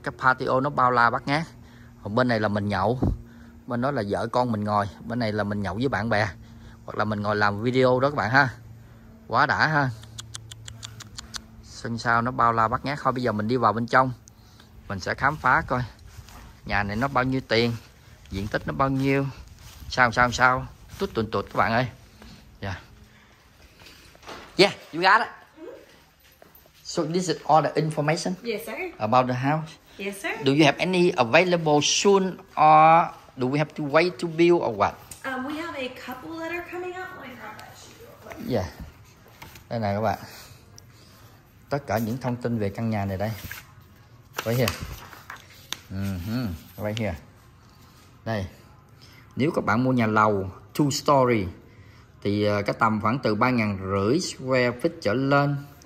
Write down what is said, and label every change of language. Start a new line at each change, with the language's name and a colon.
Vietnamese: Cái patio nó bao la bát ngát, còn bên này là mình nhậu, bên đó là vợ con mình ngồi, bên này là mình nhậu với bạn bè hoặc là mình ngồi làm video đó các bạn ha, quá đã ha. Sân sau nó bao la bát ngát. Thôi bây giờ mình đi vào bên trong, mình sẽ khám phá coi nhà này nó bao nhiêu tiền, diện tích nó bao nhiêu, sao tút tụt tụt các bạn ơi.
English: Yeah, you got it. So this is all the information? Yes, sir. About the house? Yes, sir. Do you have any available soon, or do we have to wait to build or what? We have a couple that are coming up. Let me grab that. Yeah.
Vietnamese: Đây này các bạn. Tất cả những thông tin về căn nhà này đây.
English: Right here. Right here.
Vietnamese: Đây. Nếu các bạn mua nhà lầu two story thì cái tầm khoảng từ 3.500 square feet trở lên.